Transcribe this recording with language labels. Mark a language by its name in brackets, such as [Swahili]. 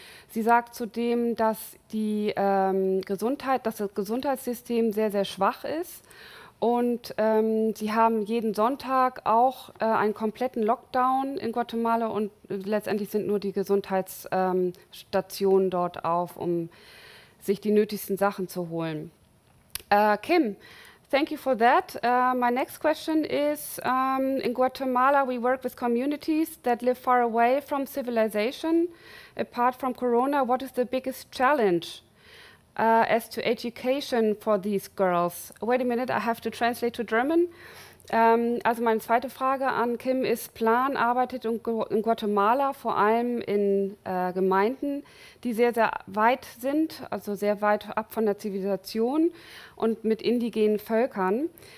[German] Sie sagt zudem, dass die das Gesundheitssystem sehr, sehr schwach ist. Und sie haben jeden Sonntag auch einen kompletten Lockdown in Guatemala und letztendlich sind nur die Gesundheitsstationen dort auf, um sich die nötigsten Sachen zu holen. [English] Kim, thank you for that. My next question is, in Guatemala we work with communities that live far away from civilization. Apart from Corona, what is the biggest challenge as to education for these girls? Wait a minute, I have to translate to German. [German] Also meine zweite Frage an Kim ist, Plan arbeitet in Guatemala, vor allem in Gemeinden, die sehr, sehr weit sind, also sehr weit ab von der Zivilisation und mit indigenen Völkern.